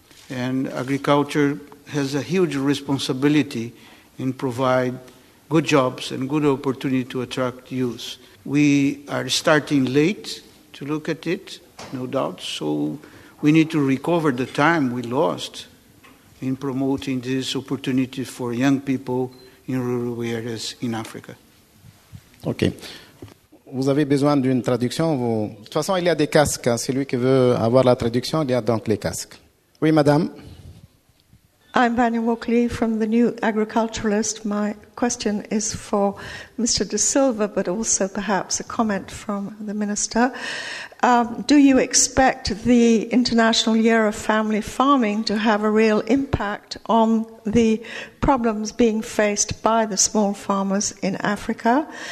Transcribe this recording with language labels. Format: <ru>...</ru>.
<en>And agriculture has a huge responsibility in provide good jobs and good opportunity to attract youth. We are starting late to look at it, no doubt, so we need to recover the time we lost in promoting this opportunity for young people in rural areas in Africa. Okay.</en> <fr>Vous avez besoin d'une traduction? Vous... De toute façon, il y a des casques. Hein. Celui qui veut avoir la traduction, il y a donc les casques. Oui, madame.</fr> <en>I'm Vanya Walkley from the New Agriculturalist. My question is for Mr. De Silva, but also perhaps a comment from the minister. Do you expect the International Year of Family Farming to have a real impact on the problems being faced by the small farmers in Africa?</en>